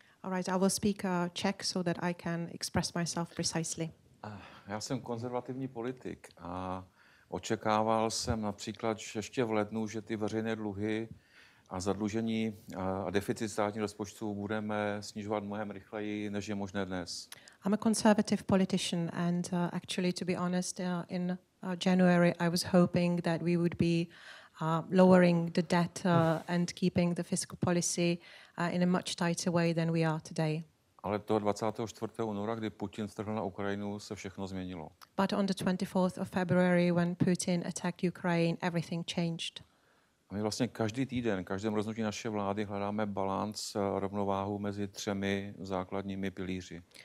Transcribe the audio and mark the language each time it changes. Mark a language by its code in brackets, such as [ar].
[en] All right, I will speak Czech so that I can express myself precisely. [cs] Já jsem konzervativní politik a očekával jsem například ještě v lednu, že ty veřejné dluhy a zadlužení a deficit státního rozpočtu budeme snižovat mnohem rychleji, než je možné dnes. [en] I'm a conservative politician and actually to be honest in January I was hoping that we would be lowering the debt and keeping the fiscal policy in a much tighter way than we are today. [cs] Ale toho 24. února, kdy Putin strhl na Ukrajinu, se všechno změnilo. [en] But on the 24th of February, when Putin attacked Ukraine, everything changed. [cs] My vlastně každý týden, každém rozhodnutí naše vlády hledáme balanc, rovnováhu mezi třemi základními pilíři.